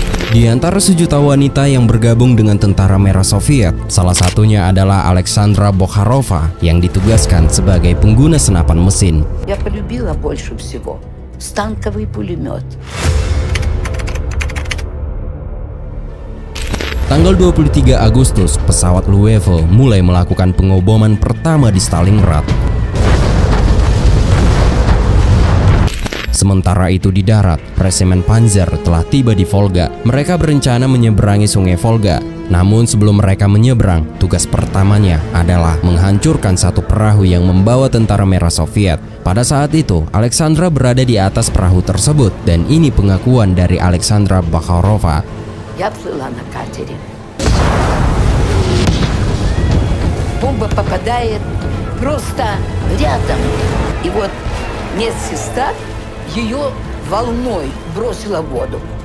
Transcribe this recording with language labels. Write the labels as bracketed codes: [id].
[id] Di antara sejuta wanita yang bergabung dengan tentara merah Soviet, salah satunya adalah Alexandra Bokharova yang ditugaskan sebagai pengguna senapan mesin. [ru] Я полюбила больше всего станковый пулемёт. [id] Tanggal 23 Agustus, pesawat Luftwaffe mulai melakukan pengoboman pertama di Stalingrad. Sementara itu di darat, resimen Panzer telah tiba di Volga. Mereka berencana menyeberangi sungai Volga. Namun sebelum mereka menyeberang, tugas pertamanya adalah menghancurkan satu perahu yang membawa tentara merah Soviet. Pada saat itu, Alexandra berada di atas perahu tersebut, dan ini pengakuan dari Alexandra Bokharova. [ru] Я плыла на катере. Бомба попадает просто рядом. И вот медсестра ее волной бросила в воду.